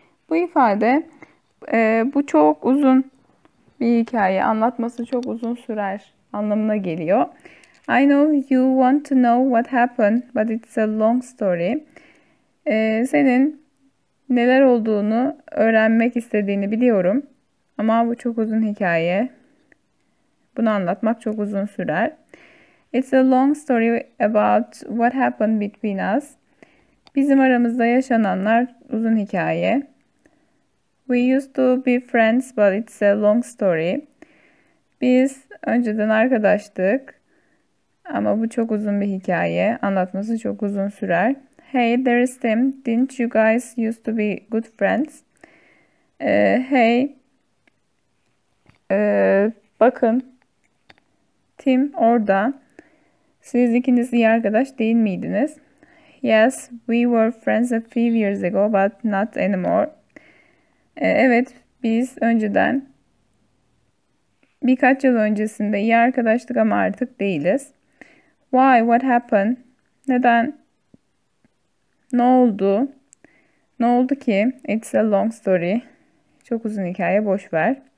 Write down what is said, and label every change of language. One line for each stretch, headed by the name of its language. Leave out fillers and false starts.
Turkish: Bu ifade bu çok uzun bir hikaye, anlatması çok uzun sürer anlamına geliyor.
English: I know you want to know what happened, but it's a long story.
Turkish: Senin neler olduğunu öğrenmek istediğini biliyorum. Ama bu çok uzun hikaye. Bunu anlatmak çok uzun sürer.
English: It's a long story about what happened between us.
Turkish: Bizim aramızda yaşananlar uzun hikaye.
English: We used to be friends, but it's a long story.
Turkish: Biz önceden arkadaştık. Ama bu çok uzun bir hikaye. Anlatması çok uzun sürer.
English: Hey, there is Tim. Didn't you guys used to be good friends? Hey.
Turkish: Bakın. Tim orada. Siz ikiniz iyi arkadaş değil miydiniz?
English: Yes, we were friends a few years ago, but not anymore.
Turkish: Evet, biz önceden birkaç yıl öncesinde iyi arkadaştık ama artık değiliz.
English: Why, what happened?
Turkish: Neden? Ne oldu? Ne oldu ki?
English: It's a long story.
Turkish: Çok uzun hikaye, boş ver.